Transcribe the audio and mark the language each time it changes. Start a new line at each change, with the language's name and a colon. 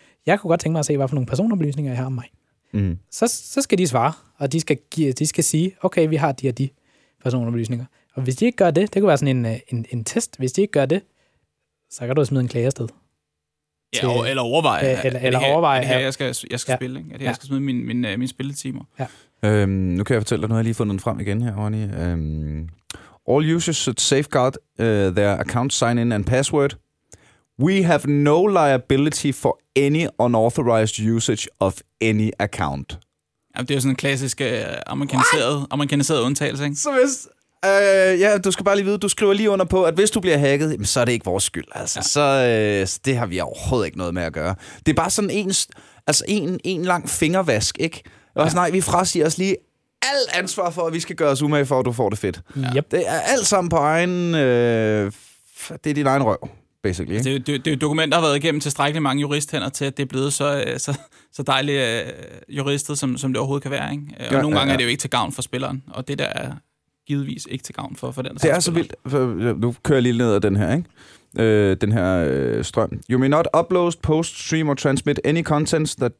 Danish: Jeg kunne godt tænke mig at se, hvad for nogle personoplysninger jeg har om mig. Mm. Så skal de svare, og de skal sige, okay, vi har de og de personoplysninger. Og hvis de ikke gør det, det kunne være sådan en test, hvis de ikke gør det, så kan du smide en klage afsted. Ja, eller overveje. Jeg skal spille, ikke? Jeg skal smide min spilletimer. Ja. Nu kan jeg fortælle dig, nu har jeg lige fundet den frem igen her, Ronny.
English: All users should safeguard their account sign-in and password. We have no liability for any unauthorized usage of any account.
Danish: Jamen, det er jo sådan en klassisk amerikaniseret undtagelse, ikke? Så hvis... du skal bare lige vide, du skriver lige under på, at hvis du bliver hacket, så er det ikke vores skyld. Altså. Ja. Så det har vi overhovedet ikke noget med at gøre. Det er bare sådan en lang fingervask, ikke? Og nej, vi frasiger os lige alt ansvar for, at vi skal gøre os umage for, at du får det fedt. Ja. Yep. Det er alt sammen på egen... det er din egen røv. Basically, ikke? Det er dokument, der har været igennem tilstrækkeligt mange juristhænder til, at det er blevet så dejligt juristet, som det overhovedet kan være. Ikke? Og nogle gange er det jo ikke til gavn for spilleren, og det der er givetvis ikke til gavn for den. Det er så vildt. Nu kører jeg lige ned ad den her, ikke? Strøm.
English: You may not upload, post, stream or transmit any contents that...